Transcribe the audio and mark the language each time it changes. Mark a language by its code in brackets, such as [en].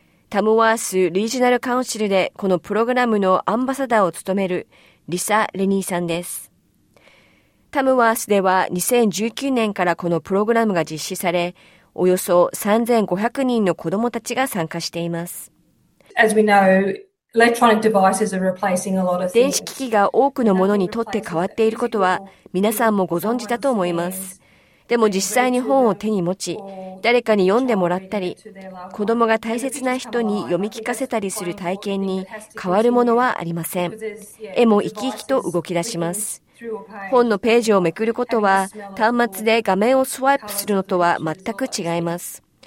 [ja] タムワースリージナルカウンシルでこのプログラムのアンバサダーを務めるリサ・レニーさんです。タムワースでは2019年からこのプログラムが実施され、およそ3500人の子どもたちが参加しています。 [en] As we know, electronic devices are replacing a lot of things. [ja] 電子機器が多くのものにとって変わっていることは皆さんもご存知だと思います。でも実際に本を手に持ち、誰かに読んでもらったり、子どもが大切な人に読み聞かせたりする体験に変わるものはありません。絵も生き生きと動き出します。本のページをめくることは、端末で画面をスワイプするのとは全く違います。